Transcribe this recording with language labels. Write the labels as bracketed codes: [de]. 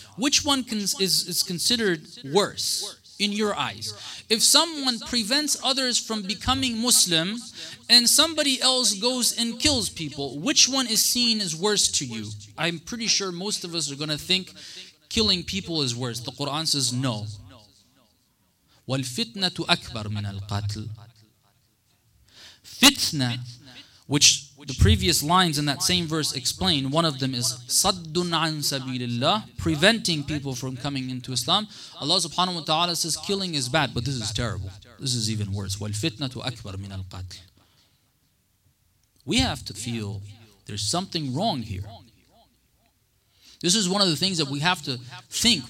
[en] Which one is considered worse in your eyes? If someone prevents others from becoming Muslim and somebody else goes and kills people, which one is seen as worse to you? I'm pretty sure most of us are going to think killing people is worse. The Quran says no. [ar] وَالْفِتْنَةُ أَكْبَرْ مِنَ الْقَاتْلِ. [en] Fitna, which the previous lines in that same verse explain, one of them is [ar] صَدٌّ عَن سَبِيلِ اللَّهِ, [en] preventing people from coming into Islam. Allah subhanahu wa ta'ala says killing is bad, but this is terrible. This is even worse. [ar] وَالْفِتْنَةُ أَكْبَرْ مِنَ الْقَتْلِ. [en] We have to feel there's something wrong here. This is one of the things that we have to think.